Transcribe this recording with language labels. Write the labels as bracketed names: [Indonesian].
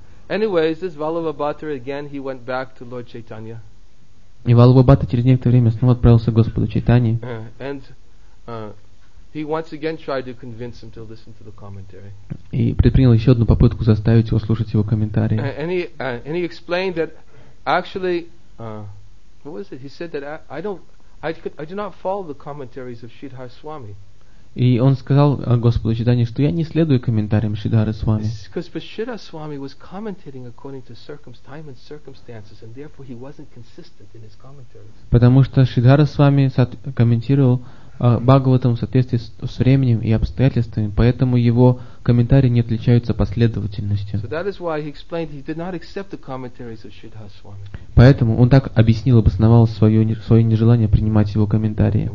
[English] Anyways, this Valabhabhata again, he went back to Lord Chaitanya. [Russian] И Валабхабхата через некоторое время снова отправился к Господу Чайтанье. [English] And he once again tried to convince him to listen to the commentary. [Russian] И предпринял еще одну попытку заставить его слушать его комментарии. [English] And he explained that actually, what was it? He said that I do not follow the commentaries of Sridhar Swami. [Russian] И он сказал Господу Чайтанье, что я не следую комментариям Шридхары Свами. [English] Шридхар Свами was commenting according to time and circumstances, and therefore he wasn't consistent in his commentaries. [Russian] Потому что Шридхара Свами комментировал Бхагаватам в соответствии с временем и обстоятельствами, поэтому его комментарии не отличаются последовательностью. [English] So that is why he explained he did not accept the commentaries of Sridhar Swami. [Russian] Поэтому он так объяснил, обосновал свое нежелание принимать его комментарии.